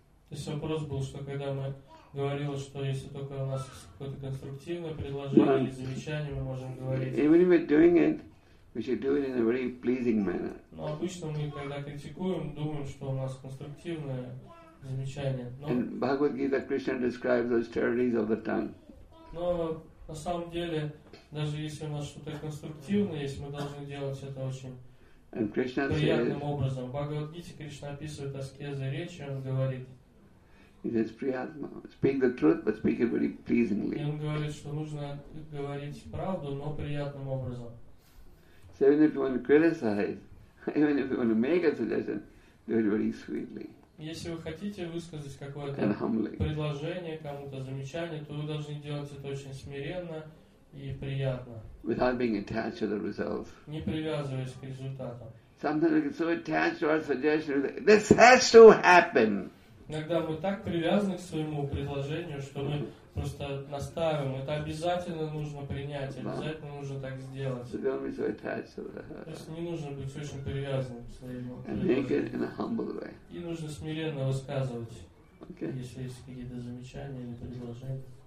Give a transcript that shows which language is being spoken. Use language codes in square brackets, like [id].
[ru] The вопрос был, что когда мы говорили, что если только у нас какое-то конструктивное предложение или замечание, мы можем говорить. [en] Even if we're doing it, we should do it in a very pleasing manner. [ru] Но обычно мы когда критикуем, думаем, что у нас конструктивное замечание. [en] In Bhagavad Gita, Krishna describes those charities of the tongue. [ru] Но на самом деле, даже если у нас что-то конструктивное есть, мы должны делать это очень приятным образом. Бхагавад Гите Кришна описывает аскезы речи, он говорит. [en] It is priyatma. Speak the truth, but speak it very pleasingly. [ru] И он говорит, что нужно говорить правду, но приятным образом. [en] So even if you want to criticize, even if you want to make a suggestion, do it very sweetly. [ru] Если вы хотите высказать какое-то предложение, кому-то замечание, то вы должны делать это очень смиренно и приятно. [en] Without being attached to the results. [ru] Не привязываясь к результатам. [en] Sometimes we're so attached to our suggestion, this has to happen. [ru] Иногда мы так привязаны к своему предложению, что мы просто настаиваем. Это обязательно нужно принять, обязательно нужно так сделать. [en] So don't be so attached to the... [ru] То есть не нужно быть очень привязанным к своему предложению. [en] And make it in a humble way. [ru] И нужно смиренно высказывать, okay. Если есть какие-то замечания или предложения.